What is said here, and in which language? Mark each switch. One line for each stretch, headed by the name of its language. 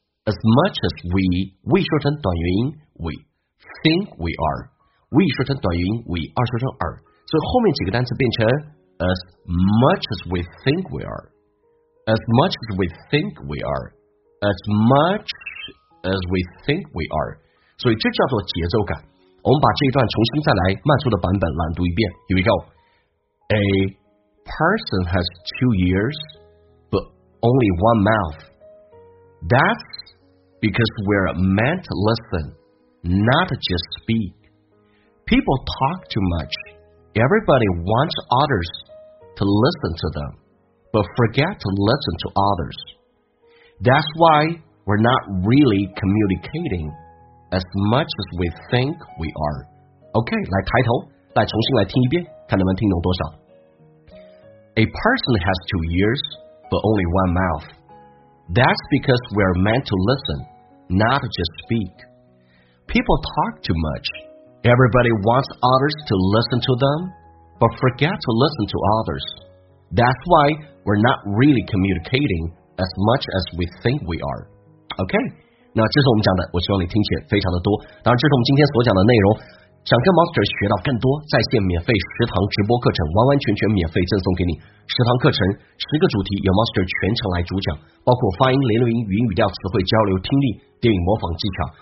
English: As much as we
Chinese: 说成短元音
English: we think we are， we 说成短元音 we，
Chinese: 二说成二，所以后面几个单词变成
English: as much as we think we are， as much as we think we are， as much as we think we are，
Chinese: 所以这叫做节奏感。我们把这一段重新再来慢速的版本朗读一遍。
English: Here we go。 A person has two ears but only one mouth. That'sBecause we're meant to listen, not just speak. People talk too much. Everybody wants others to listen to them, but forget to listen to others. That's why we're not really communicating as much as we think we are.
Chinese: OK, 来抬头，来重新来听一遍，看能不能听懂多少。
English: A person has two ears, but only one mouth. That's because we're meant to listen. Not just speak. People talk too much. Everybody wants others to listen to them, but forget to listen to others. That's why we're not really communicating as much as we think we are.
Chinese: OK, 那这是我们讲的，我希望你听起来非常的多。当然，这是我们今天所讲的内容。想跟 Monster 学到更多在线免费十堂直播课程，完完全全免费赠送给你。十堂课程，十个主题，由 Monster 全程来主讲，包括发音、连读音、语音语调、词汇交流、听力、电影模仿技巧，